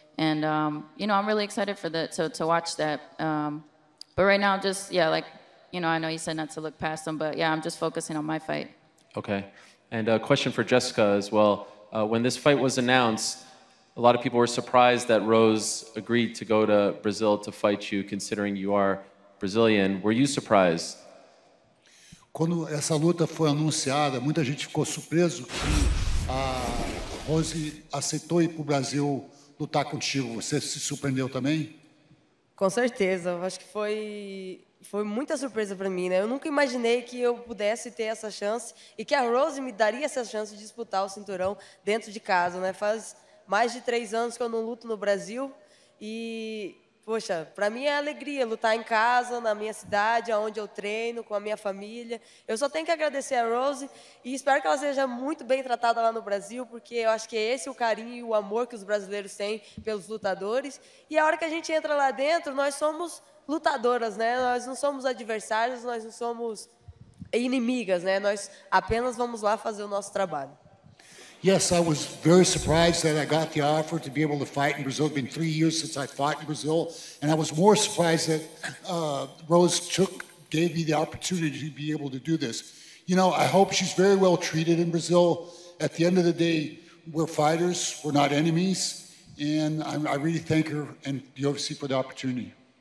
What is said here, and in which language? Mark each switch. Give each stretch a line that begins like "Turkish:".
English: And, you know, I'm really excited for that, to watch that. But right now, just, yeah, like, you know, I know you said not to look past them, but yeah, I'm just focusing on my fight. Okay. And a question for Jessica as well. When this fight was announced, a lot of people were surprised that Rose agreed to go to Brazil to fight you, considering you are Brazilian. Were you surprised?
Portuguese: Quando essa luta foi anunciada, muita gente ficou surpreso que a Rose aceitou ir pro Brasil lutar contigo. Você se surpreendeu também? Com certeza. Acho que foi muita surpresa para mim, né? Eu nunca imaginei que eu pudesse ter essa chance e que a Rose me daria essa chance de disputar o cinturão dentro de casa, né? Faz mais de 3 anos que eu não luto no Brasil e, poxa, para mim é alegria lutar em casa, na minha cidade, onde eu treino, com a minha família. Eu só tenho que agradecer a Rose e espero que ela seja muito bem tratada lá no Brasil, porque eu acho que esse é o carinho e o amor que os brasileiros têm pelos lutadores. E a hora que a gente entra lá dentro, nós somos lutadoras, né? Nós não somos adversários, nós não somos inimigas, né? Nós apenas vamos lá fazer o nosso trabalho.
English: Yes, I was very surprised that I got the offer to be able to fight in Brazil. It's been 3 years since I fought in Brazil, and I was more surprised that Rose gave me the opportunity to be able to do this. You know, I hope she's very well treated in Brazil. At the end of the day, we're fighters, we're not enemies, and I really thank her and the UFC for the opportunity.